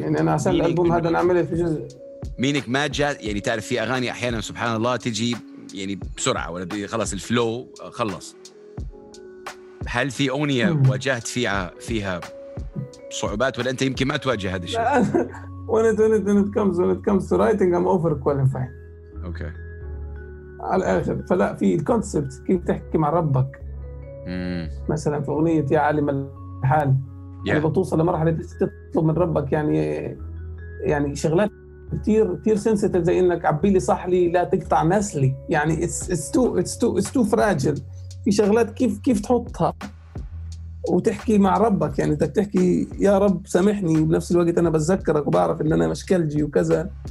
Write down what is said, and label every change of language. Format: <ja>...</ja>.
<ar>يعني أنا عشان الألبوم هذا نعمله في جزء مينك ما جاء يعني تعرف في أغاني أحيانا سبحان الله تجي يعني بسرعة ولا خلاص الفلو خلص هل في أغنية واجهت فيها صعوبات ولا أنت يمكن ما تواجه هذا الشيء؟</ar> <en>When it comes to writing I'm over qualified. Okay.</en> <ar>على الآخر فلا في الكونسبت كيف تحكي مع ربك؟ مثلاً في أغنية يا عالم الحال yeah. يعني بتوصل لمرحلة تطلب من ربك يعني شغلات كتير سنسيتيف زي انك عبي لي صح لي لا تقطع نسلي يعني</ar> <en>it's too fragile</en> <ar>في شغلات كيف تحطها وتحكي مع ربك يعني بدك تحكي يا رب سامحني وبنفس الوقت انا بتذكرك وبعرف ان انا مشكلجي وكذا</ar>